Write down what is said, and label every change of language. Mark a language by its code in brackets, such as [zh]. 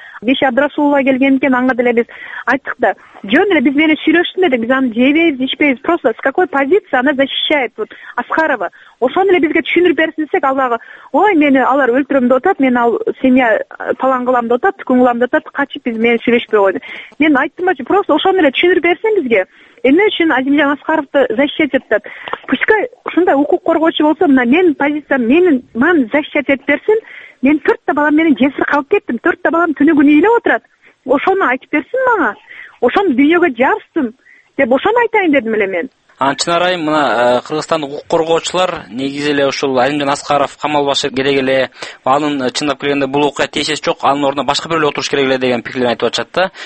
[ky] Беше Абдрасулова келген экен, ага деле биз айттык да, жөн эле биз менен сүйлөштүң дедик, биз аны жебейбиз, ичпейбиз, [ru] просто с какой позиции она защищает вот Аскарова. [ky] Ошону эле бизге түшүндүрүп берсин десек, ал дагы ой мени алар өлтүрөм деп атат, мен ал семья палан кылам деп атат, түкүн кылам деп атат, качып биз менен сүйлөшпөй койду. Мен айттымбачы, просто ошону эле түшүндүрүп берсең бизге, эмне үчүн Азимжан Аскаровду защищать этип атат? Пускай ушундай укук коргоочу болсо, мына менин позициям, менин маам защищать этип берсин. Мен төрттө балам менен жесир калып кеттим, төрттө балам түнү күнү ыйлап отурат, ошону айтып берсин мага, ошону дүйнөгө жазсын деп ошону айтайын дедим эле мен. Анан Чынар айым, мына Кыргызстандын укук коргоочулар негизи эле ушул Азимжан Аскаров камалбашы керек эле, анын чындап келгенде бул окуя тиешеси жок, анын ордуна башка бирөө отуруш керек эле деген пикирлерин айтып атышат да.